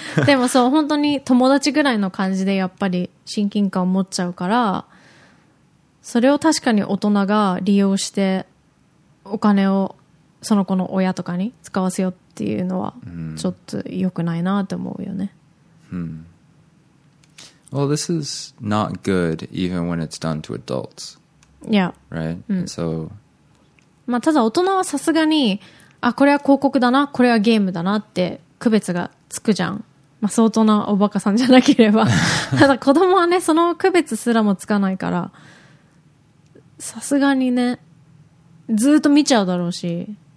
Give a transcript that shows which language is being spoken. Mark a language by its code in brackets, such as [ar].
[ja] でもそう本当に友達ぐらいの感じでやっぱり親近感を持っちゃうから、それを確かに大人が利用してお金をその子の親とかに使わせようっていうのはちょっと良くないなと思うよね。 [en] Well, this is not good even when it's done to adults. Yeah. Right? So... [ja] まあただ大人はさすがにあこれは広告だなこれはゲームだなって区別がつくじゃん、まあ、相当なおバカさんじゃなければただ子供はねその区別すらもつかないから、さすがにねずっと見ちゃうだろうし、